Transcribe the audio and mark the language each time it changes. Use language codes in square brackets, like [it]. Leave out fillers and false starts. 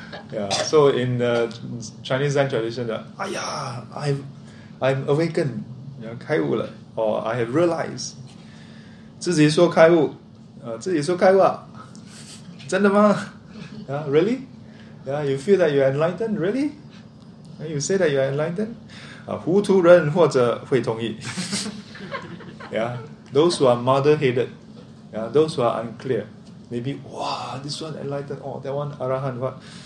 [en] Yeah, so in the Chinese Zen tradition, 哎呀, I'm awakened, [zh] 开悟了, [en] or I have realized. [zh] 自己说开悟, 自己说开悟啊, 真的吗? [en] Yeah, really? Yeah, you feel that you are enlightened, really? You say that you are enlightened? [zh] 糊涂人或者会同意. [en] Yeah, those who are muddle-headed, yeah, those who are unclear, maybe, wow, this one enlightened, oh, that one arahan, what?